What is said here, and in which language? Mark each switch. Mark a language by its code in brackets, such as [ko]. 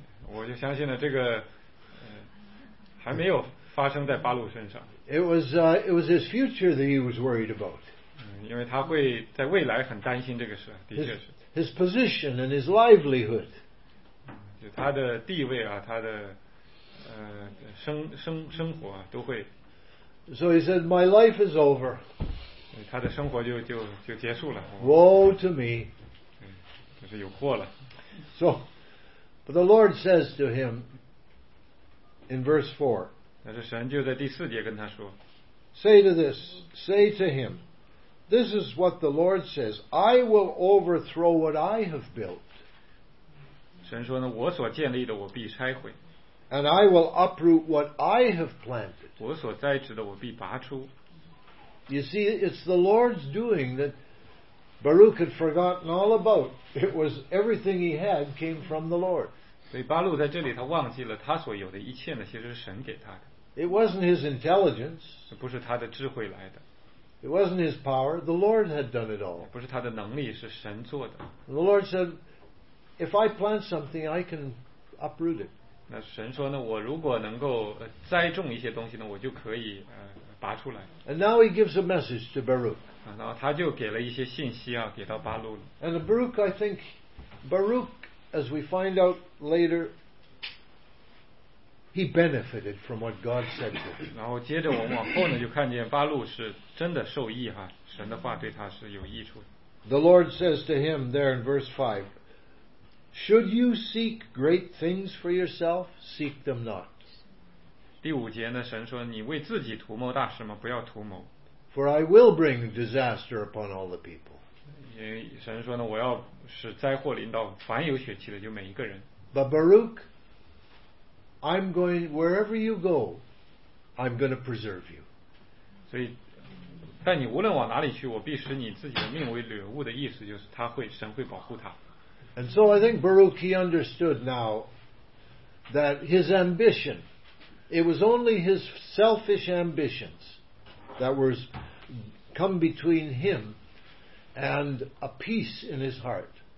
[zh] 我就相信了这个还没有发生在巴录身上。 [en] It was his future that he was worried about. [zh] 因为他会在未来很担心这个事，的确是。 [en] His position and his livelihood. [zh] 就他的地位啊，他的生活啊，都会。 [en] So he said, "My life is over." [zh] 他的生活就结束了。 [en] Woe to me. [zh] 就是有祸了。 [en] So, but the Lord says to him in verse 4. [zh] 但是神就在第四节跟他说。 [en] Say to him. This is what the Lord says. I will overthrow what I have built. [zh] 神说呢，我所建立的我必拆毁。 [en] And I will uproot what I have planted. [zh] 我所栽植的我必拔出。 [en] You see, it's the Lord's doing that Baruch had forgotten all about. It was everything he had came from the Lord. [zh] 所以巴录在这里他忘记了他所有的一切呢，其实是神给他的。 [en] It wasn't his intelligence. [zh] 不是他的智慧来的。 [en] It wasn't his power. The Lord had done it all. [zh] 不是他的能力，是神做的。 [en] The Lord said, "If I plant something, I can uproot it." [zh] 那神说呢，我如果能够栽种一些东西呢，我就可以拔出来。 [en] And now he gives a message to Baruch. [zh] 然后他就给了一些信息啊，给到巴录了。 [en] And Baruch, I think, Baruch, as we find out later, he benefited from what God said to him. [zh] 然后接着我们往后呢，就看见巴录是。真的受益哈，神的话对他是有益处的。 [en] The Lord says to him there in verse 5, "Should you seek great things for yourself, seek them not." [zh] 第五节呢，神说你为自己图谋大事吗？不要图谋。 [en] For I will bring disaster upon all the people. [zh] 因为神说呢，我要使灾祸临到凡有血气的，就每一个人。 [en] But Baruch, I'm going wherever you go, I'm going to preserve you. [zh] 所以。但你无论往哪里去，我必使你自己的命为掠物的意思，就是他会神会保护他。 [en] And so I think Baruch he understood now that his ambition, it was only his selfish ambitions that was come between him and a peace in his heart.